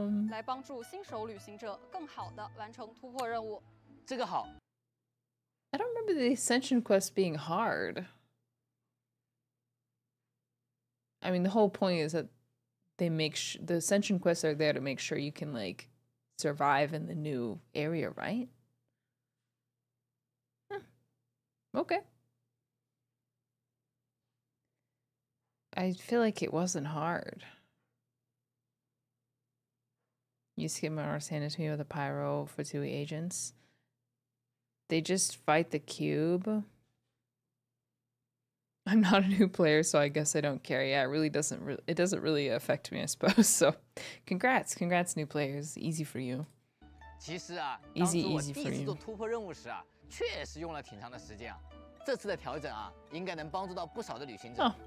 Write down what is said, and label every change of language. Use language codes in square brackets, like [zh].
[zh] 来帮助新手旅行者更好地完成突破任务。这个好。 [en] I don't remember the Ascension quest being hard. I mean, the whole point is that they make the ascension quests are there to make sure you can like survive in the new area, right? Okay. I feel like it wasn't hard. You skip Mara Sanatomy with the pyro for two agents. They just fight the cube. I'm not a new player, so I guess I don't care. Yeah, it really doesn't it doesn't really affect me, I suppose. So, congrats, new players. Easy for you. [zh] 其实啊, easy for you. 当初我第一次做突破任务时啊, 确实用了挺长的时间啊。这次的调整啊，应该能帮助到不少的旅行者。